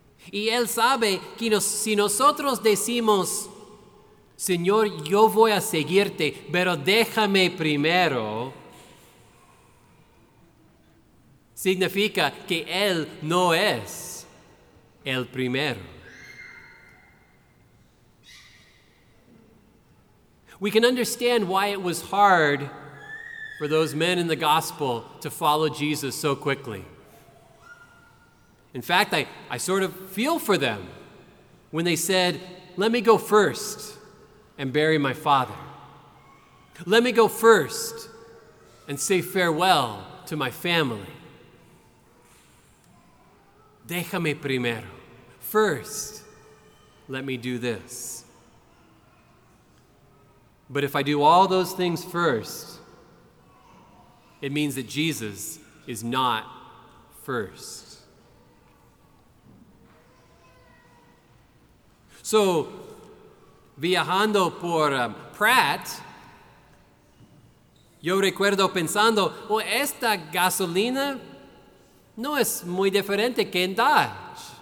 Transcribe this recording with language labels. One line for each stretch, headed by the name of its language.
Spanish: Y Él sabe que si nosotros decimos: Señor, yo voy a seguirte, pero déjame primero, significa que Él no es el primero.
English: We can understand why it was hard for those men in the gospel to follow Jesus so quickly. In fact, I sort of feel for them when they said, let me go first and bury my father. Let me go first and say farewell to my family.
Spanish: Déjame primero.
English: First, let me do this. But if I do all those things first, it means that Jesus is not first.
Spanish: So, viajando por Pratt, yo recuerdo pensando, oh, esta gasolina no es muy diferente que en Dodge.